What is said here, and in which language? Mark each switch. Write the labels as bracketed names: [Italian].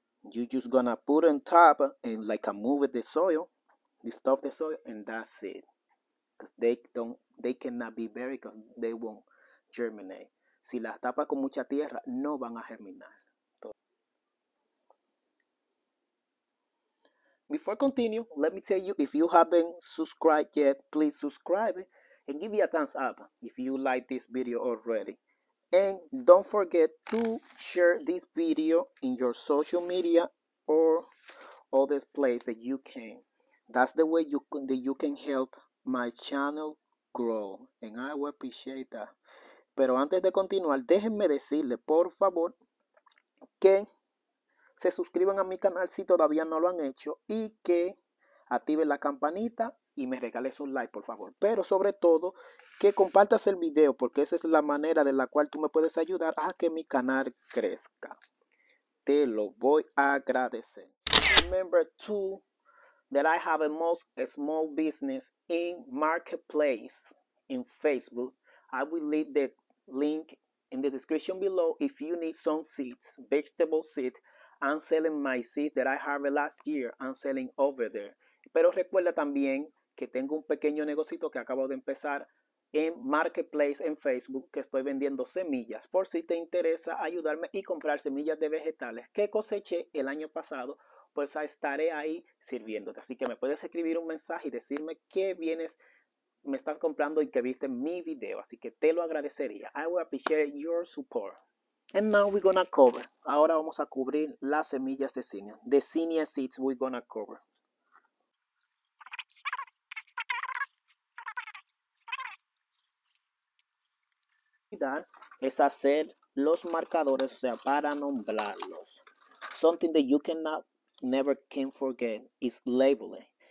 [English] You just gonna put on top and like a move the soil, disturb the soil, and that's it. Because they cannot be buried because they won't germinate. [Spanish] Si las tapas con mucha tierra, no van a germinar. [English] Before continue, let me tell you, if you haven't subscribed yet, please subscribe. And give me a thumbs up if you like this video already. And don't forget to share this video in your social media or other places that you can. That's the way you can help my channel grow. And I will appreciate that. [Spanish] Pero antes de continuar, déjenme decirle, por favor, que se suscriban a mi canal si todavía no lo han hecho. Y que activen la campanita y me regales un like, por favor. Pero sobre todo, que compartas el video, porque esa es la manera de la cual tú me puedes ayudar a que mi canal crezca. Te lo voy a agradecer. [English] Remember too that I have a most small business in Marketplace in Facebook. I will leave the link in the description below if you need some seeds, vegetable seeds. I'm selling my seeds that I harvested last year. I'm selling over there. [Spanish] Pero recuerda también que tengo un pequeño negocito que acabo de empezar en Marketplace en Facebook, que estoy vendiendo semillas. Por si te interesa ayudarme y comprar semillas de vegetales que coseché el año pasado, pues estaré ahí sirviéndote. Así que me puedes escribir un mensaje y decirme qué bienes me estás comprando y que viste mi video. Así que te lo agradecería. [English] I will appreciate your support. And now we're gonna cover. [Spanish] Ahora vamos a cubrir las semillas de zinnia. [English] The zinnia seeds we're gonna cover. [Spanish] Es hacer los marcadores, o sea, para nombrarlos. [English] Something that you cannot, never can forget is labeling.